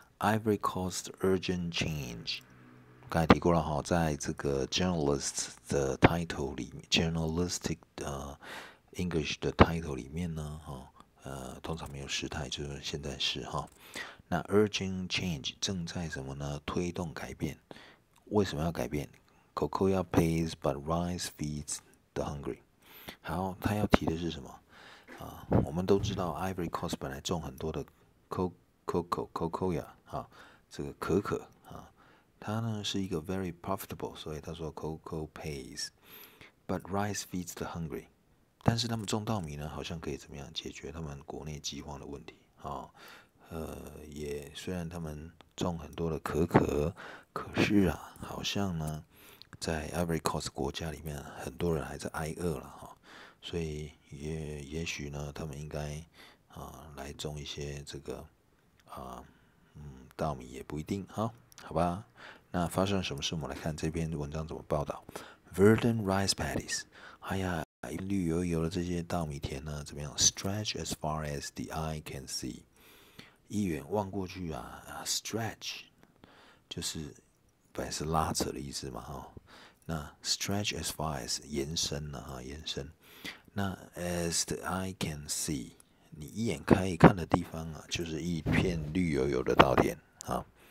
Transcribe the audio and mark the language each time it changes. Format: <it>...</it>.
<zh>Ivory Coast</zh> <en>urgent change，</en> <zh>刚才提过了哈，在这个 journalist 的 title 里面 ，journalistic 的、English 的 title 里面呢，哈，通常没有时态，就是现在时哈。那 urgent change 正在什么呢？推动改变。</zh> <en>为什么要改变 ？Cocoa pays, but rice feeds the hungry。</en> <zh>好，他要提的是什么？我们都知道 Ivory Coast 本来种很多的 cocoa 啊，这个可可啊，它呢是一个</zh> <en>very profitable，</en> <zh>所以他说</zh> <en>cocoa pays, but rice feeds the hungry。</en> <zh>但是他们种稻米呢，好像可以怎么样解决他们国内饥荒的问题啊？也虽然他们种很多的可可，可是啊，好像呢，在 Ivory Coast 国家里面，很多人还在挨饿了哈，所以也许呢，他们应该来种一些这个稻米也不一定哈，好吧？那发生了什么事？我们来看这篇文章怎么报道。</zh> <en>Verdant rice paddies， 哎呀，绿油油的这些稻米田呢，怎么样 ？Stretch as far as the eye can see。</en> <zh>一眼望过去啊 ，stretch 就是本来是拉扯的意思嘛哈。那</zh> <en>stretch as far as</en> <zh>延伸了哈，延伸。那</zh> <en>as the eye can see，</en> <zh>你一眼可以看的地方啊，就是一片绿油油的稻田啊。</zh>